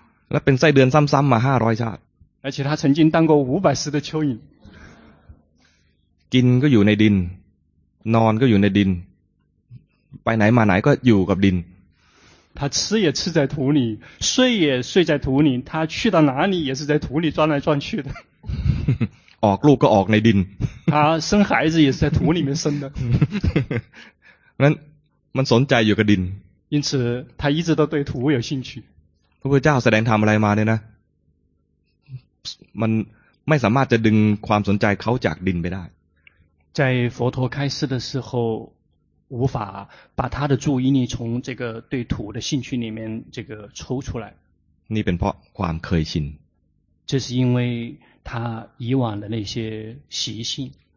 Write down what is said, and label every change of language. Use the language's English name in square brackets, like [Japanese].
[Thai] แล้วเป็นไส้เดือนซ้ำๆมา500ชาติ [Chinese] 而且他曾经当过500世的蚯蚓 [Thai] กินก็อยู่ในดินนอนก็อยู่ในดินไปไหนมาไหนก็อยู่กับดิน [Chinese] 他吃也吃在土里睡也睡在土里他去到哪里也是在土里转来转去的 [Thai] ออกลูกก็ออกในดิน [Chinese] 他生孩子也是在土里面生的 [Thai] นั้นมันสนใจอยู่กับดิน [Chinese] 因此他一直都对土有兴趣 [Thai] พระพุทธเจ้าแสดงธรรมอะไรมาเนี่ยนะมันไม่สามารถจะดึงความสนใจเขาจากดินไปได้ [Chinese] 在佛陀开示的时候无法把他的注意力从这个对土的兴趣里面这个抽出来 [Thai] นี่เป็นเพราะความเคยชิน [Chinese] 这是因为他以往的那些习性